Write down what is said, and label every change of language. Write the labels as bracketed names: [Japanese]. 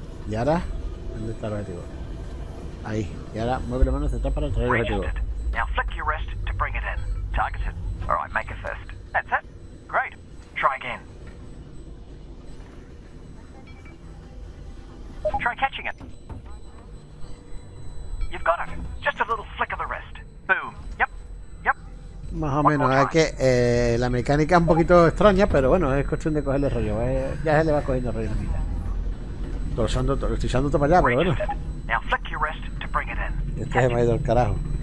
[Spanish] Y ahora, ¿dónde está el objetivo? Ahí. Y ahora mueve la mano hacia atrás para traer el objetivo. [English] Now flick your wrist to bring it in. Targeted. All right, make a fist. That's it. Great. Try again. Try catching it. You've got it. Just a little flick of the wrist. Boom. Yep. Yep. [Spanish] Más o menos. Es que la mecánica es un poquito extraña, pero bueno, es cuestión de cogerle rollo. Ya se le va cogiendo rollo. Estoy usando todo para allá, pero bueno. [English] Now flick your wrist. [Spanish] Este se me ha ido al carajo.